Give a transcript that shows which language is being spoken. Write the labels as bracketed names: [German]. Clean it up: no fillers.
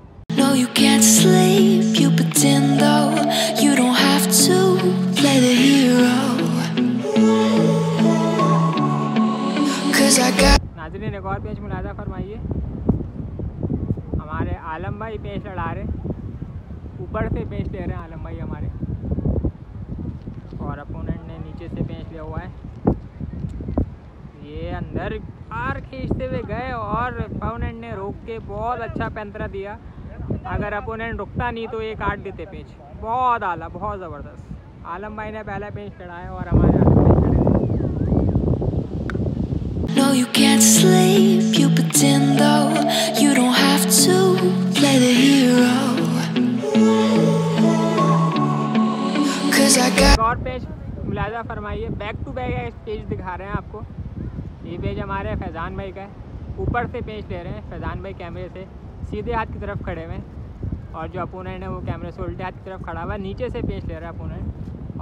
[English] No, you can't sleep, you pretend though. You don't have to play the hero. Cause I got... [Hindi] नाज़रीन एक और पेंच मुलाहिज़ा फरमाइए। हमारे आलम भाई पेंच लड़ा रहे, ऊपर से पेंच ले रहे हैं आलम भाई हमारे, और अपोनेंट ने नीचे से पेंच लिया हुआ है। ये अंदर पार खींचते हुए गए, और अपोनेंट ने रोक के बहुत अच्छा पैंतरा दिया, अगर अपोनेंट रुकता नहीं तो ये काट देते पेंच। बहुत आला, बहुत ज़बरदस्त, आलम भाई ने पहला पेंच चढ़ाया और हमारे आलम भाई चढ़े। [English] No, you can't sleep, you pretend though. You don't have to play the hero. [Hindi] और पेज मुलाहिज़ा फरमाइए, बैक टू बैक है पेज दिखा रहे हैं आपको। ये पेज हमारे फैजान भाई का है, ऊपर से पेज ले रहे हैं फैजान भाई कैमरे से सीधे हाथ की तरफ खड़े हुए, और जो अपोनेंट है वो कैमरे से उल्टे हाथ की तरफ खड़ा हुआ है, नीचे से पेज ले रहा है अपोनेंट।